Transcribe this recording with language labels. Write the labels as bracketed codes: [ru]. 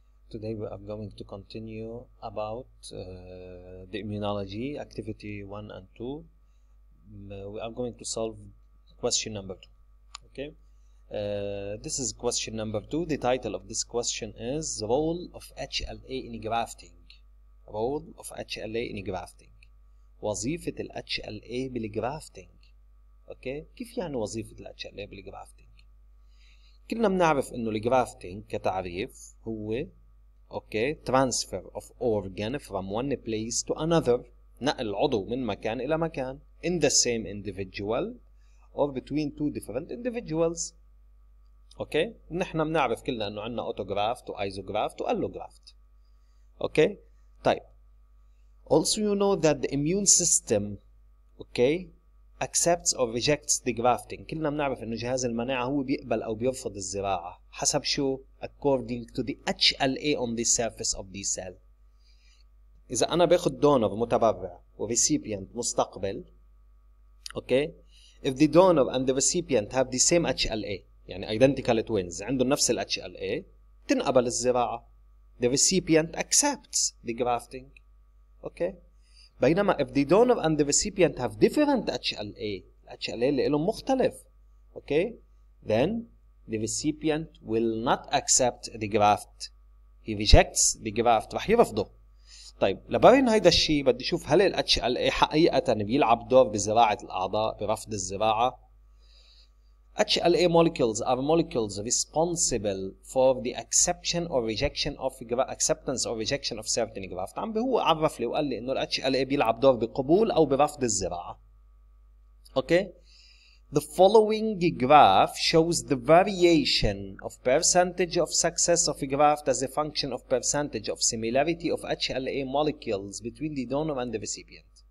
[en] Today we are going to continue about the immunology activity 1 and 2. We are going to solve question number 2. Okay. This is question number 2. The title of this question is Role of HLA in grafting. Role of HLA in grafting. [ar] وظيفة ال HLA بالgrafting. [en] Okay. [ar] كيف يعني وظيفة ال HLA بالgrafting؟ كلنا بنعرف انه الجرافتنج كتعريف هو [en] okay transfer of organ from one place to another, [ar] نقل عضو من مكان الى مكان، [en] In the same individual or between two different individuals. [ar] اوكي، نحن بنعرف كلنا انه عندنا اوتوغرافت وايزوغرافت واللوغرافت. اوكي طيب، [en] also you know that the immune system okay accepts or rejects the grafting. [ar] كلنا بنعرف انه جهاز المناعة هو بيقبل او بيرفض الزراعة. حسب شو؟ [en] According to the HLA on the surface of the cell. [ar] إذا أنا باخد donor متبرع و recipient مستقبل. [en] Okay. If the donor and the recipient have the same HLA, يعني identical twins, [ar] عندهم نفس ال HLA, تنقبل الزراعة. [en] The recipient accepts the grafting. Okay. بينما if the donor and the recipient have different HLA, [ar] HLA اللي لهم مختلف, [en] okay, then the recipient will not accept the graft. He rejects the graft, [ar] رح يرفضه. طيب لبين هيدا الشيء بدي اشوف هل ال HLA حقيقة بيلعب دور بزراعة الأعضاء برفض الزراعة. [en] HLA molecules are molecules responsible for the acceptance or rejection of certain graft. [ar] عم هو عرف لي وقال لي انه ال HLA بيلعب دور بقبول او برفض الزراعه. [en] Okay. The following graph shows the variation of percentage of success of a graft as a function of percentage of similarity of HLA molecules between the donor and the recipient.